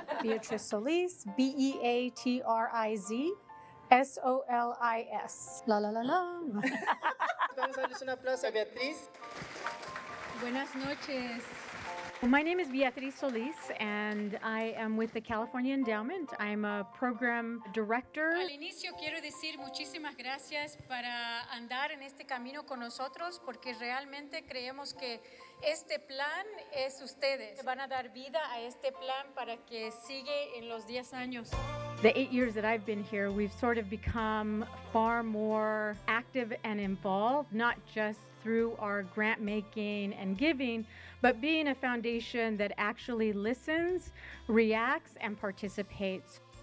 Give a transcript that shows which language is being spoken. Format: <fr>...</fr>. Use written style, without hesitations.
<es>Beatrice Solis, BEATRIZSOLIS. La, la, la, la. Vamos a darles un aplauso a Beatriz. Buenas noches.</es> <en>Well, my name is Beatriz Solis, and I am with the California Endowment. I'm a program director.</en> <es>Al inicio quiero decir muchísimas gracias para andar en este camino con nosotros, porque realmente creemos que este plan es ustedes. Van a dar vida a este plan para que siga en los 10 años.</es> <en>The 8 years that I've been here, we've sort of become far more active and involved, not just through our grant making and giving, but being a foundation that actually listens, reacts, and participates.</en>